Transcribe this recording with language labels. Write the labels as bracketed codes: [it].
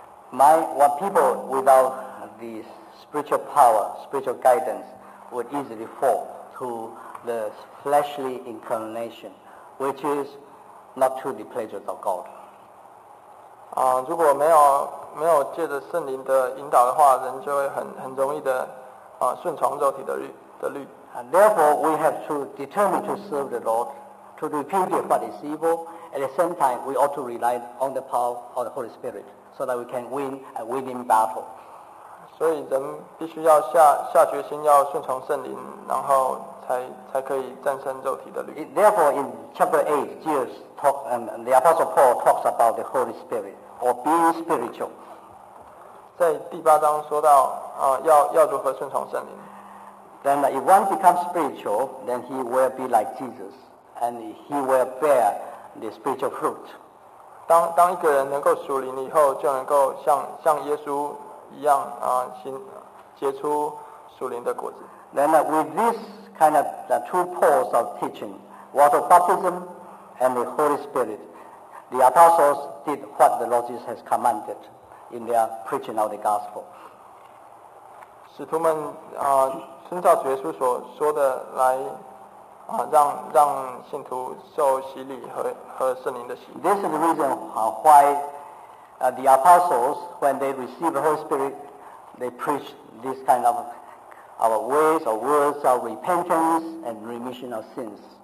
[en] What people without the spiritual power, spiritual guidance, would easily fall to the fleshly inclination, which is not to the pleasures of God. [zh] 啊，如果没有借着圣灵的引导的话，人就会很容易的啊顺从肉体的律。 [en] And therefore, we have to determine to serve the Lord, to repent if what is evil. At the same time, we ought to rely on the power of the Holy Spirit, so that we can win a winning battle. [zh] 所以人必须要下决心，要顺从圣灵，然后才可以战胜肉体的律。 [en] Therefore, in chapter 8, Jesus talk, the Apostle Paul talks about the Holy Spirit or being spiritual. [zh] 在第八章说到啊，要如何顺从圣灵。 [en] Then if one becomes spiritual, then he will be like Jesus, and he will bear the spiritual fruit. [zh] 当一个人能够属灵以后，就能够像耶稣一样啊，结出属灵的果子。 [en] Then with this kind of the two poles of teaching, water baptism and the Holy Spirit, the apostles did what the Lord Jesus has commanded in their preaching of the gospel. [zh] 使徒们啊。遵照主耶稣所说的来啊，让信徒受洗礼和圣灵的洗礼。 [en] This is the reason why the apostles, when they receive the Holy Spirit, they preach this kind of our ways or words of repentance and remission of sins.